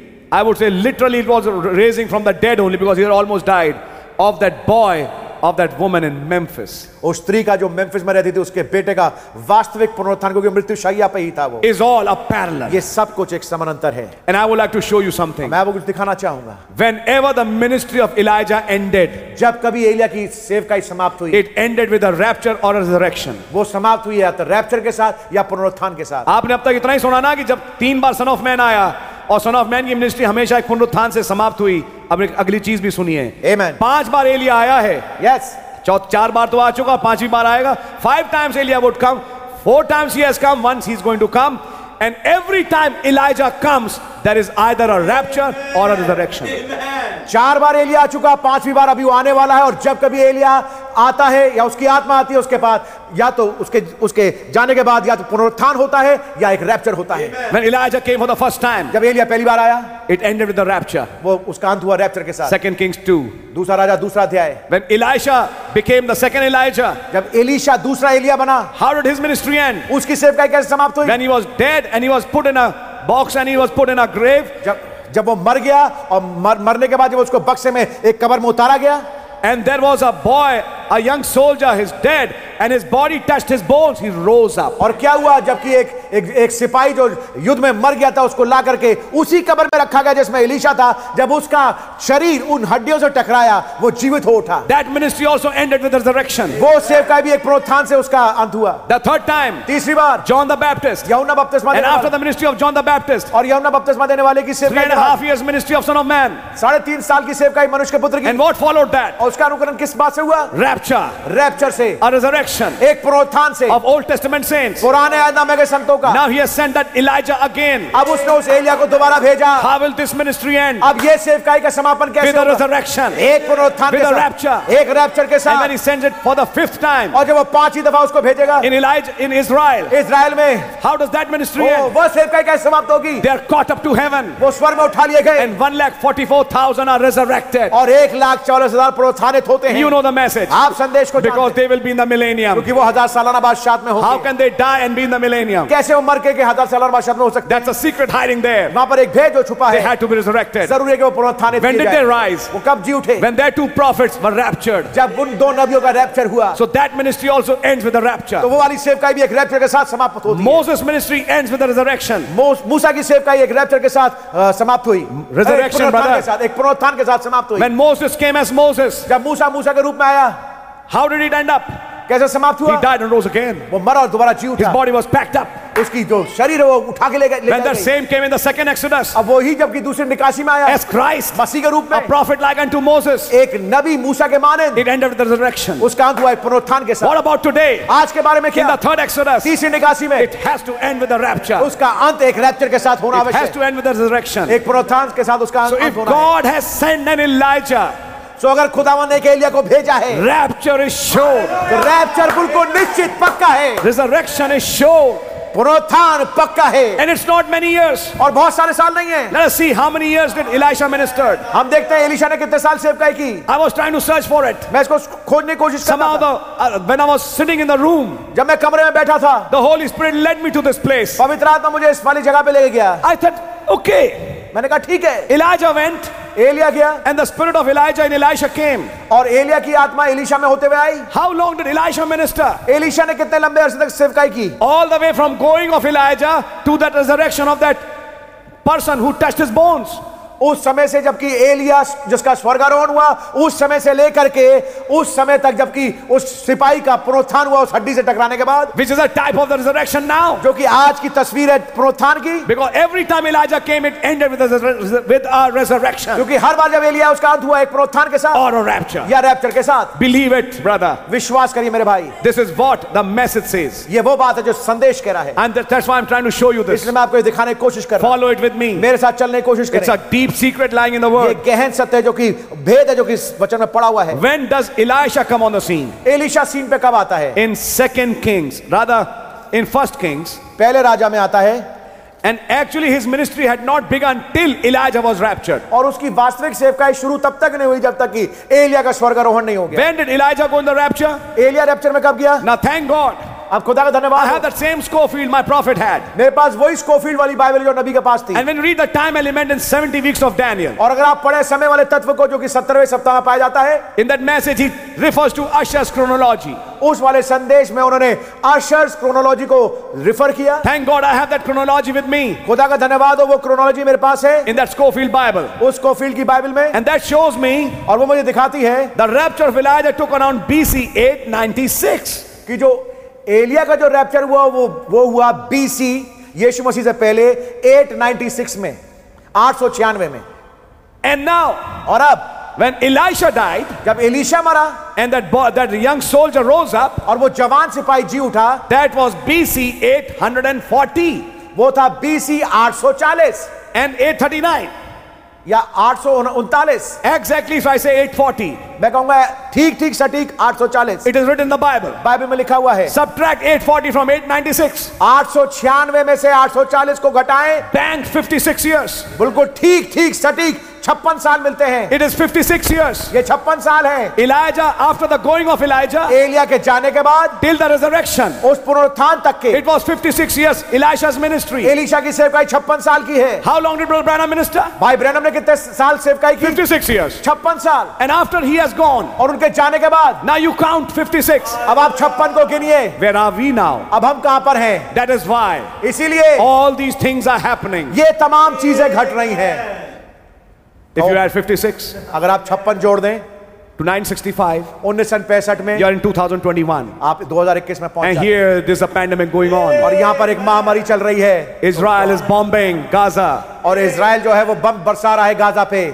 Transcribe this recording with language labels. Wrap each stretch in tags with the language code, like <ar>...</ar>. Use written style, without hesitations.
<en>I would say literally it was raising from the dead only because he had almost died of that boy. Of that woman in Memphis.</en> <hi>उस स्त्री का जो Memphis में रहती थी उसके बेटे का वास्तविक पुनरुत्थान क्योंकि मृत्यु शैया पे ही था वो.</hi> <en>Is all a parallel.</en> <hi>ये सब कुछ एक समानांतर है.</hi> <en>And I would like to show you something.</en> <hi>मैं वो कुछ दिखाना चाहूंगा.</hi> <en>Whenever the ministry of Elijah ended.</en> <hi>जब कभी एलिया की सेवकाई समाप्त हुई.</hi> <en>It ended with a rapture or a resurrection.</en> <hi>वो समाप्त हुई या तो रैप्चर के साथ या पुनरुत्थान के साथ. आपने अब तक इतना ही सुना ना कि जब 3 बार सन ऑफ मैन आया और सन ऑफ मैन की मिनिस्ट्री हमेशा एक पुनरुत्थान से समाप्त हुई. अब एक अगली चीज भी सुनिए.</hi> <en>Amen.</en> <hi>5 बार एलिया आया है.</hi> <en>Yes.</en> <hi>4 बार तो आ चुका, 5वीं बार आएगा.</hi> <en>5 times Elijah would come. 4 times he has come, once he is going to come. And every time Elijah comes, there is either a rapture or a resurrection. Amen.</en> <hi>चार बार एलिया आ चुका, पांचवी बार अभी वो आने वाला है, और जब कभी एलिया आता है या उसकी आत्मा आती है उसके पास, या तो उसके उसके जाने के बाद या तो पुनरुत्थान होता है या एक रैप्चर होता है।</hi> <en>When Elijah came for the first time,</en> <hi>जब एलिया पहली बार आया,</hi> <en>it ended with the rapture.</en> <hi>वो उसका अंत हुआ रैप्चर के साथ।</hi> <en>Second Kings 2,</en> <hi>दूसरा राजा दूसरा अध्याय।</hi> <en>When Elijah became the second Elijah,</en> <hi>जब एलिशा दूसरा एलिया बना,</hi> <en>how did his ministry end?</en> <hi>उसकी सेवकाई कैसे समाप्त हुई?</hi> <en>When he was dead and he was put in a box and he was put in a grave,</en> <hi>जब वो मर गया और मरने के बाद जब उसको बक्से में एक कब्र में उतारा गया,</hi> <en>and there was a boy, a young soldier, he's dead and his body touched his bones, he rose up.</en> <hi>और क्या हुआ जबकि एक एक एक सिपाही जो युद्ध में मर गया था उसको ला करके उसी कब्र में रखा गया जिसमें एलिशा था, जब उसका शरीर उन हड्डियों से टकराया वो जीवित हो उठा।</hi> <en>That ministry also ended with the resurrection.</en> <hi>वो सेवकाई भी एक पुनरुत्थान से उसका अंत हुआ।</hi> <en>The third time,</en> <hi>तीसरी बार,</hi> <en>John the Baptist,</en> <hi>यूहन्ना बपतिस्मा,</hi> <en>and after the ministry of John the Baptist,</en> <hi>और यूहन्ना बपतिस्मा देने वाले की सेवकाई,</hi> <en>3.5 years ministry of Son of Man,</en> <hi>3.5 साल की सेवकाई मनुष्य के पुत्र की,</hi> <en>and what followed that?</en> <hi>उसका अनुकरण किस बात से हुआ?</hi> <en>rapture,</en> <hi>रैप्चर से,</hi> <en>a resurrection,</en> <hi>एक पुनरुत्थान से,</hi> <en>of Old Testament saints,</en> <hi>पुराने आदम के संतों।</hi> <en>Now he has sent that Elijah again.</en> <hi>अब उसने उस एलिया को दोबारा भेजा।</hi> <en>How will this ministry end?</en> <hi>अब ये सेवकाई का समापन कैसे होगा?</hi> <en>With the resurrection.</en> <hi>एक पुनरुत्थान के साथ।</hi> <en>With the rapture.</en> <hi>एक रैप्चर के साथ।</hi> <en>And then he sends it for the fifth time.</en> <hi>और जब वो पांचवी दफा उसको भेजेगा।</hi> <en>In Elijah, in Israel.</en> <hi>Israel में।</hi> <en>How does that ministry end?</en> <hi>वो सेवकाई कैसे समाप्त होगी?</hi> <en>They are caught up to heaven.</en> <hi>वो स्वर्ग में उठा लिए गए।</hi> <en>And 144,000 are resurrected.</en> <hi>और 144,000 पुनरुत्थानित होते हैं।</hi> <en>You know the message.</en> <hi>आप संदेश को जानते हैं।</hi> <en>Because they will be in the millennium.</en> <hi>क्योंकि वो हजार सालाना बादशाहत में होंगे।</hi> <en>How can they die and be in the millennium?</en> <hi>कैसे वो मर के हजार साल बाद शब्द में हो सकता?</hi> <en>That's a secret hiding there.</en> <hi>वहाँ पर एक भेद जो छुपा है.</hi> <en>They had to be resurrected.</en> <hi>जरूरी है कि वो पुनरुत्थानित किए गए.</hi> <en>When did they rise?</en> <hi>वो कब जी उठे?</hi> <en>When their two prophets were raptured.</en> <hi>जब उन दो नबियों का रैप्चर हुआ.</hi> <en>So that ministry also ends with a rapture.</en> <hi>तो वो वाली सेवकाई भी एक रैप्चर के साथ समाप्त होती है.</hi> <en>Moses ministry ends with a resurrection.</en> <hi>मूसा की सेवकाई एक रैप्चर के साथ समाप्त हुई.</hi> <en>Resurrection brother.</en> <hi>एक पुनरुत्थान के साथ समाप्त हुई.</hi> <en>When Moses came as Moses.</en> <hi>जब मूसा के रूप में आया.</hi> <en>How did it end up?</en> <hi>कैसे समाप्त हुआ?</hi> <en>He died and rose again.</en> <hi>वो मरा और दोबारा जी उठा.</hi> <en>His body was packed up.</en> <hi>उसकी जो शरीर है वो उठा के ले गए.</hi> <en>When the same came in the second exodus.</en> <hi>अब वो ही जबकि दूसरी निकासी में आया.</hi> <en>As Christ.</en> <hi>मसीह के रूप में.</hi> <en>A prophet like unto Moses.</en> <hi>एक नबी मूसा के माने.</hi> <en>It ended with the resurrection.</en> <hi>उसका अंत हुआ एक पुनरुत्थान के साथ.</hi> <en>What about today?</en> <hi>आज के बारे में क्या?</hi> <en>In the third exodus.</en> <hi>तीसरी निकासी में.</hi> <en>It has to end with the rapture.</en> <hi>उसका अंत एक रैप्चर के साथ होना आवश्यक है.</hi> <en>It has to end with the resurrection.</en> <hi>एक पुनरुत्थान के साथ उसका अंत होना है.</hi> <en>So if God has sent an Elijah.</en> <hi>So, अगर खुदावन ने एलिया को भेजा है,</hi> <en>rapture is sure,</en> <hi>तो रैप्चर बिल्कुल निश्चित पक्का है,</hi> <en>resurrection is sure,</en> <hi>पुनरुत्थान पक्का है,</hi> <en>and it's not many years,</en> <hi>और बहुत सारे साल नहीं है।</hi> <en>Let us see how many years did Elisha ministered.</en> <hi>हम देखते हैं एलिशा ने कितने साल सेवकाई की।</hi> <en>I was trying to search for it.</en> <hi>मैं इसको खोजने की कोशिश कर रहा था।</hi> <en>when I was sitting in the room,</en> <hi>जब मैं कमरे में बैठा था,</hi> <en>The holy spirit led me to this place.</en> <hi>पवित्र आत्मा मुझे इस वाली जगह पे ले गया।</hi> <en>I thought okay,</en> <hi>मैंने कहा ठीक है।</hi> <en>Elijah went,</en> <hi>एलिया गया,</hi> <en>and the spirit of Elijah in Elisha came,</en> <hi>और एलिया की आत्मा एलिशा में होते हुए आई।</hi> <en>how long did Elisha minister,</en> <hi>Elisha ने कितने लंबे अरसे तक सेवकाई की?</hi> <en>All the way from going of Elijah to that resurrection of that person who touched his bones.</en> <hi>उस समय से जबकि एलिया जिसका स्वर्गारोहण हुआ, उस समय से लेकर के उस समय तक जबकि उस सिपाही का पुनरुत्थान हुआ उस हड्डी से टकराने के बाद,</hi> <en>which is a type of the resurrection now,</en> <hi>जो कि आज की तस्वीर है पुनरुत्थान की,</hi> <en>because every time Elijah came it ended with a resurrection,</en> <hi>क्योंकि हर बार जब एलिया उसका अंत हुआ एक पुनरुत्थान के साथ,</hi> <en>or a rapture,</en> <hi>या रैप्चर के साथ।</hi> <en>Believe it brother,</en> <hi>विश्वास करिए मेरे भाई।</hi> <en>This is what the message says,</en> <hi>ये वो बात है जो संदेश कह रहा है।</hi> <en>And that's why I'm trying to show you this,</en> <hi>इसलिए मैं आपको दिखाने की कोशिश कर रहा हूं।</hi> <en>Follow it with me,</en> <hi>मेरे साथ चलने की कोशिश करें।</hi> <en>It's a deep secret lying in the word.</en> <hi>ये गहन सत्य जो कि भेद है जो कि वचन में पड़ा हुआ है।</hi> <en>When does Elisha come on the scene?</en> <hi>Elisha scene पे कब आता है?</hi> <en>In second kings, rather in first kings.</en> <hi>पहले राजा में आता है।</hi> <en>And actually his ministry had not begun till Elijah was raptured.</en> <hi>और उसकी वास्तविक सेवकाई शुरू तब तक नहीं हुई जब तक कि एलिया का स्वर्गारोहण नहीं हो गया।</hi> <en>When did Elijah go in the rapture?</en> <hi>Elia rapture में कब गया?</hi> <en>Now thank God.</en> <hi>अब खुदा का धन्यवाद।</hi> <en>I have that same Scofield my prophet had.</en> <hi>मेरे पास वही Scofield वाली बाइबल जो नबी के पास थी।</hi> <en>And when you read the time element in 70 weeks of Daniel.</en> <hi>और अगर आप पढ़े समय वाले तत्व को जो कि 70वें सप्ताह में पाया जाता है।</hi> <en>In that message he refers to Usher's chronology.</en> <hi>उस वाले संदेश में उन्होंने Usher's chronology को रिफर किया।</hi> <en>Thank God I have that chronology with me.</en> <hi>खुदा का धन्यवाद हो वो chronology मेरे पास है।</hi> <en>In that Scofield Bible.</en> <hi>उस Scofield की बाइबल में।</hi> <en>And that shows me.</en> <hi>और वो मुझे दिखाती है।</hi> <en>The rapture of Elijah took around B.C. 896.</en> <hi>कि जो एलिया का जो रैप्चर हुआ वो हुआ बीसी यीशु मसीह से पहले 896 में, 896 में।</hi> <en>and now,</en> <hi>और अब,</hi> <en>when Elisha died,</en> <hi>जब एलिशा मरा,</hi> <en>and that young soldier rose up,</en> <hi>और वो जवान सिपाही जी उठा,</hi> <en>that was BC 840,</en> <hi>वो था बीसी 840</hi> <en>and 839,</en> <hi>या 839</hi> <en>exactly if I say 840</en> <hi>मैं कहूंगा ठीक ठीक सटीक 840</hi> <en>it is written in the bible</en> <hi>Bible में लिखा हुआ है</hi> <en>subtract 840 from 896</en> <hi>896 में से 840 को घटाएं</hi> <en>bang 56 years</en> <hi>बिल्कुल ठीक ठीक सटीक 56 साल मिलते हैं</hi> <en>it is 56 years</en> <hi>ये 56 साल है</hi> <en>elijah after the going of elijah</en> <hi>Elia के जाने के बाद</hi> <en>till the resurrection</en> <hi>उस पुनरुत्थान तक के</hi> <en>it was 56 years elisha's ministry</en> <hi>Elisha की सेवकाई 56 साल की है</hi> <en>how long did brother branham minister</en> <hi>भाई ब्रैनम ने कितने साल सेवकाई की</hi> <en>56 years</en> <hi>56 साल</hi> <en>and after he has gone</en> <hi>और उनके जाने के बाद</hi> <en>now you count 56</en> <hi>अब आप 56 को गिनिए</hi> <en>where are we now</en> <hi>अब हम कहां पर हैं</hi> <en>that is why</en> <hi>इसीलिए</hi> <en>all these things are happening</en> <hi>ये तमाम चीजें घट रही हैं</hi> <en>If you add 56,</en> <hi>अगर आप 56 जोड़ दें,</hi> <en>to 965,</en> <hi>में,</hi> <en>you are in 2021.</en> <hi>आप 2021 में पहुंच जाएं.</hi> <en>And here, there's a pandemic going on.</en> <hi>और यहाँ पर एक महामारी चल रही है.</hi> <en>Israel is bombing Gaza.</en> <hi>और इज़राइल जो है वो बम बरसा रहा है गाज़ा पे.</hi>